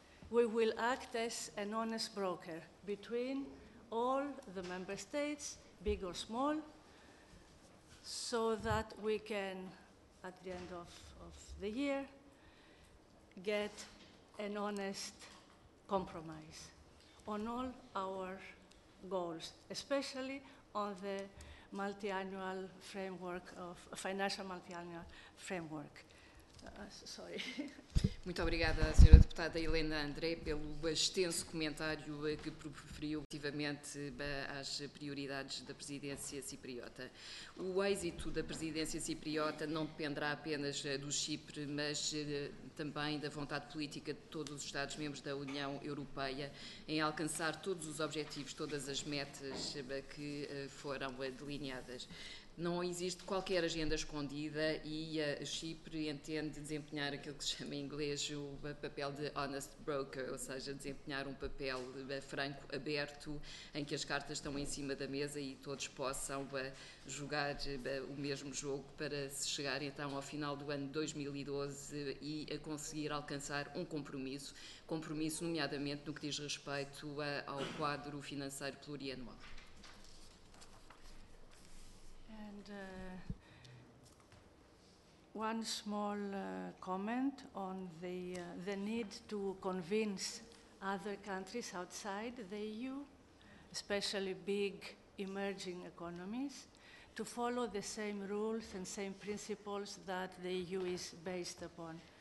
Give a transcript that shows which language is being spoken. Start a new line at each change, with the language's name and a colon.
English: We will act as an honest broker between all the member states, big or small, so that we can, at the end of the year, get an honest compromise on all our goals, especially on the multi-annual framework of financial multi-annual framework. Sorry.
Portuguese: Muito obrigada, Sra. Deputada Elena André, pelo extenso comentário que proferiu relativamente às prioridades da presidência cipriota. O êxito da presidência cipriota não dependerá apenas do Chipre, mas também da vontade política de todos os Estados-membros da União Europeia em alcançar todos os objetivos, todas as metas que foram delineadas. Não existe qualquer agenda escondida e a Chipre entende desempenhar aquilo que se chama em inglês o papel de
English: honest broker,
Portuguese: ou seja, desempenhar um papel franco, aberto, em que as cartas estão em cima da mesa e todos possam jogar o mesmo jogo para se chegar então ao final do ano 2012 e a conseguir alcançar um compromisso nomeadamente no que diz respeito ao quadro financeiro plurianual.
English: And one small comment on the need to convince other countries outside the EU, especially big emerging economies, to follow the same rules and same principles that the EU is based upon.